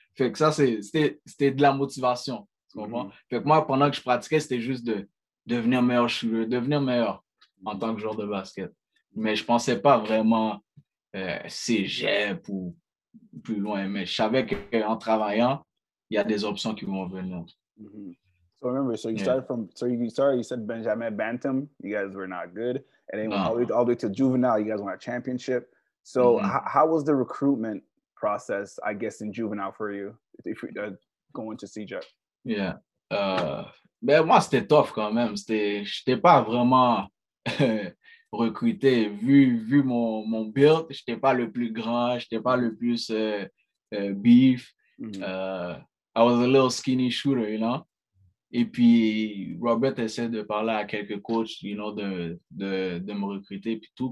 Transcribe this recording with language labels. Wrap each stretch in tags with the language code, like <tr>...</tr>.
<fr>Fait que ça, c'était de la motivation. Tu comprends? Fait que moi, pendant que je pratiquais, c'était juste de devenir meilleur, je veux devenir meilleur en tant que joueur de basket. Mais je pensais pas vraiment cégep ou plus loin. Mais je savais qu'en travaillant, il y a des options qui vont venir.</fr> <en>So remember, so you started from so you started, you said Benjamin Bantam, you guys were not good. And then all the way to juvenile, you guys won a championship. So how was the recruitment process, I guess, in juvenile for you, if you're going to CJ?</en> <fr>Ben moi c'était tough quand même. C'était J'étais pas vraiment recruté vu mon build. J'étais pas le plus grand, j'étais pas le plus beef.</fr> <en>I was a little skinny shooter,</en> <fr>Et puis Robert essaie de parler à quelques coachs, de me recruter puis tout.</fr>